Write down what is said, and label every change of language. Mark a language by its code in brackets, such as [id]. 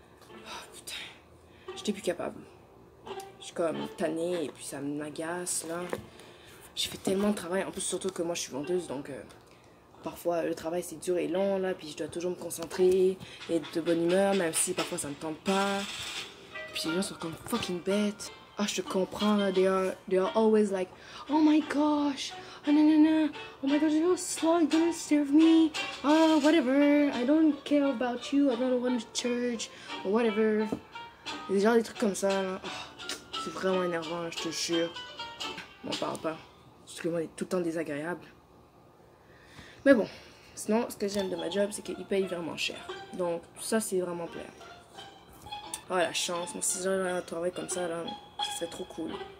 [fr] Oh, putain. J'étais plus capable. Je suis comme tannée et puis ça m'agace, là. J'ai fait tellement de travail, en plus, surtout que moi, je suis vendeuse, donc... Parfois, le travail, c'est dur et long, là, puis je dois toujours me concentrer et être de bonne humeur, même si parfois, ça ne tente pas. Puis les gens sont comme fucking bêtes. Ah, je te comprends, là, [en] they are always like, oh my gosh, oh nanana, oh my gosh, you're so long, gonna serve me, whatever, I don't care about you, I don't want to church, whatever. [fr] Des gens, des trucs comme ça, là. Oh, c'est vraiment énervant, là, je te jure. M'en parle pas, parce que moi, c'est tout le temps désagréable. Mais bon, sinon, ce que j'aime de ma job, c'est qu'ils payent vraiment cher. Donc, ça, c'est vraiment plein. Oh, la chance. Moi, si j'avais un travail comme ça, là, ce serait trop cool.